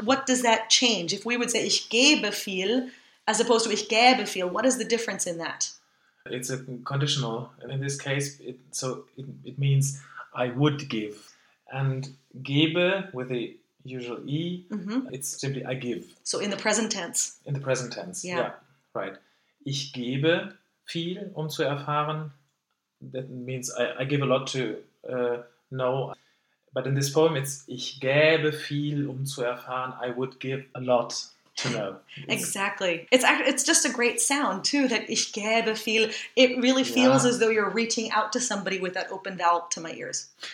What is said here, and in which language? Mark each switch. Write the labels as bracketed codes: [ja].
[en] What does that change? If we would say [de] ich gebe viel [en] as opposed to [de] ich gäbe viel, [en] what is the difference in that? It's a conditional. In this case, it means I would give. And gebe, with the usual E, mm-hmm, it's simply I give. So in the present tense. In the present tense, yeah. Right. [de] Ich gebe viel, zu erfahren. [en] That means I give a lot to know. But in this poem, it's [de] ich gebe viel, zu erfahren. [en] I would give a lot to know. Exactly. It's just a great sound, too, that [de] ich gebe viel. [en] It really feels, yeah, as though you're reaching out to somebody with that open vowel to my ears.